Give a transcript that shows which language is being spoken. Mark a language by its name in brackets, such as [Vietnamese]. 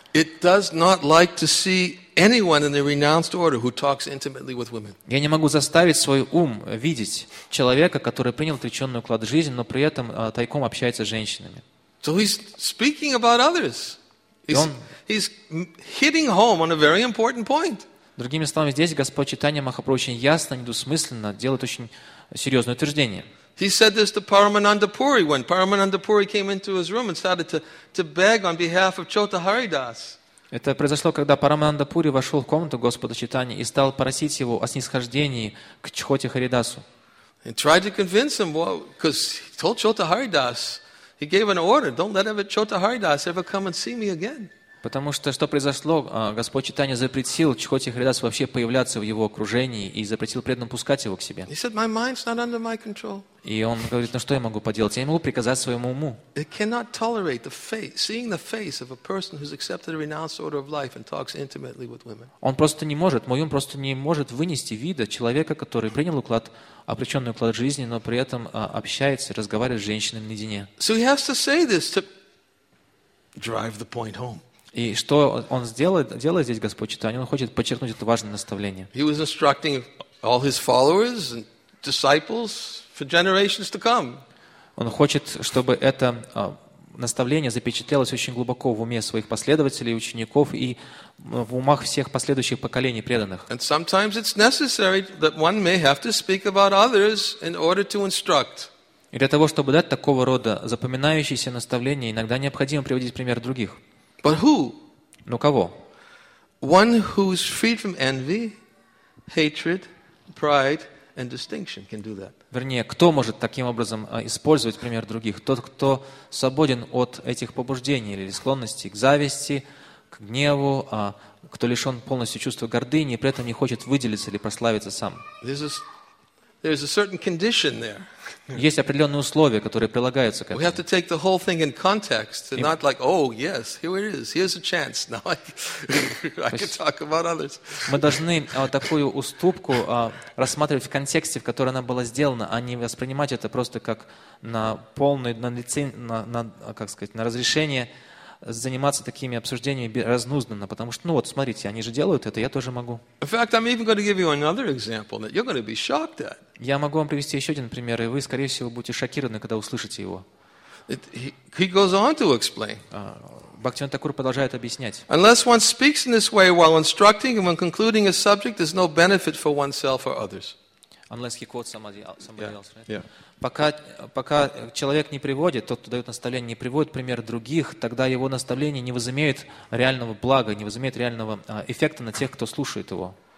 [English] It does not like to see anyone in the renounced order who talks intimately with women. [Russian] Я не могу заставить свой ум видеть человека, который принял отреченный уклад жизни, но при этом тайком общается с женщинами. [English] So he's speaking about others. He's hitting home on a very important point. [Russian] Другими словами, здесь Господь Чайтанья Махапрабху очень ясно, недвусмысленно делает очень серьезное утверждение. [English] He said this to Paramananda Puri when Paramananda Puri came into his room and started to beg on behalf of Chota Haridas. [Russian] Это произошло, когда Парамананда Пури вошел в комнату Господа Чайтанья и стал просить его о снисхождении к Чхоте Харидасу. [English] And tried to convince him, well, because he told Chota Haridas. He gave an order, don't let ever Chota Haridas ever come and see me again. [Russian] Потому что произошло, Господь Чайтанья запретил Чхоте Харидасу вообще появляться в его окружении и запретил преданным пускать его к себе. [English] He said, my mind's not under my control. [Russian] И он говорит, ну что я могу поделать? Я не могу приказать своему уму. [English] It cannot tolerate the face, seeing the face of a person who's accepted a renounced order of life and talks intimately with women. [Russian] Он просто не может, мой ум просто не может вынести вида человека, который принял уклад, обреченный уклад жизни, но при этом общается, разговаривает с женщинами наедине. [English] So he has to say this to drive the point home. [Russian] И что он делает здесь Господь Чайтанья? Он хочет подчеркнуть это важное наставление. [English] He was instructing all his followers and disciples for generations to come. [Russian] Он хочет, чтобы это наставление запечатлелось очень глубоко в уме своих последователей, учеников и в умах всех последующих поколений преданных. [English] And sometimes it's necessary that one may have to speak about others in order to instruct. [Russian] И для того, чтобы дать такого рода запоминающиеся наставления, иногда необходимо приводить пример других. [English] But who? [Russian] Но кого? [English] One who is freed from envy, hatred, pride, and distinction can do that. [Russian] Вернее, кто может таким образом использовать пример других? Тот, кто свободен от этих побуждений или склонностей к зависти, к гневу, кто лишен полностью чувства гордыни и при этом не хочет выделиться или прославиться сам. [English] There's a certain condition there. [Russian] Есть определенные условия, которые прилагаются к этому. [English] We have to take the whole thing in context, and not like, oh, yes, here it is, here's a chance. Now I can talk about others. [Russian] Мы должны такую уступку рассматривать в контексте, в котором она была сделана, а не воспринимать это просто как на полную, на лицензию, на, как сказать, на разрешение заниматься такими обсуждениями разнузданно, потому что, ну вот, смотрите, они же делают это, я тоже могу. [English] In fact, I'm even going to give you another example that you're going to be shocked at. [Russian] Я могу вам привести еще один пример, и вы, скорее всего, будете шокированы, когда услышите его. [English] He goes on to explain. [Russian] Бхактивинода Тхакур продолжает объяснять. [English] Unless one speaks in this way while instructing and when concluding a subject, there's no benefit for oneself or others. Unless he quotes somebody else, right? Yeah. [Russian] Пока человек не приводит, тот, кто дает наставление, не приводит пример других, тогда его наставление не возымеет реального блага, не возымеет реального эффекта на тех, кто слушает его.